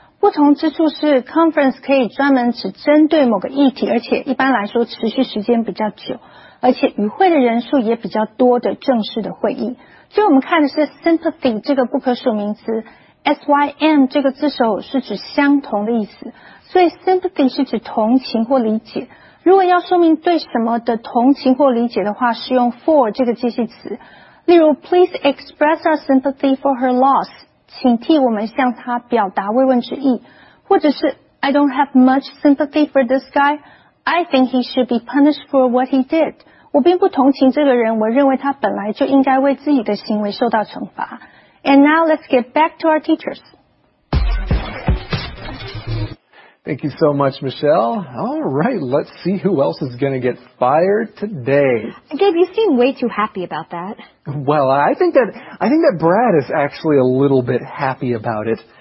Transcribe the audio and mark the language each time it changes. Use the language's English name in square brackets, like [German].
[Chinese] 不同之处是 conference 可以专门只针对某个议题，而且一般来说持续时间比较久，而且与会的人数也比较多的正式的会议。所以我们看的是 sympathy 这个不可数名词， S-Y-M 这个字首是指相同的意思，所以 sympathy 是指同情或理解。如果要说明对什么的同情或理解的话，是用 for 这个介系词。 [English] 例如 please express our sympathy for her loss， [Chinese] 请替我们向她表达慰问之意， [English] 或者是 I don't have much sympathy for this guy， I think he should be punished for what he did。 [Chinese] 我并不同情这个人，我认为他本来就应该为自己的行为受到惩罚。 [English] And now let's get back to our teachers. Thank you so much, Michelle. All right, let's see who else is going to get fired today. Gabe, you seem way too happy about that. Well, I think that Brad is actually a little bit happy about it.